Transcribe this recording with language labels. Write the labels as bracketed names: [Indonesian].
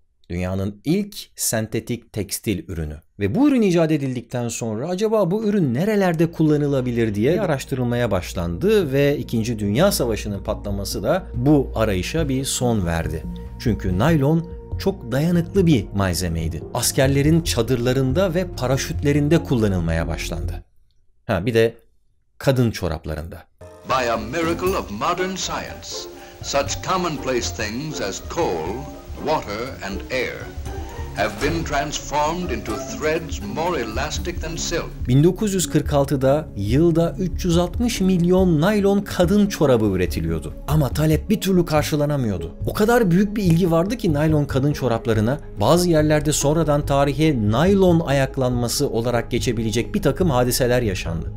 [Turkish] Dünyanın ilk sentetik tekstil ürünü. Ve bu ürün icat edildikten sonra acaba bu ürün nerelerde kullanılabilir diye araştırılmaya başlandı ve İkinci Dünya Savaşı'nın patlaması da bu arayışa bir son verdi. Çünkü naylon çok dayanıklı bir malzemeydi. Askerlerin çadırlarında ve paraşütlerinde kullanılmaya başlandı. Ha, bir de kadın çoraplarında. [English] By a miracle of modern science, such commonplace things as coal, water and air have been transformed into threads more elastic than silk. [Turkish] 1946'da yılda 360 milyon naylon kadın çorabı üretiliyordu. Ama talep bir türlü karşılanamıyordu. O kadar büyük bir ilgi vardı ki naylon kadın çoraplarına, bazı yerlerde sonradan tarihe naylon ayaklanması olarak geçebilecek bir takım hadiseler yaşandı.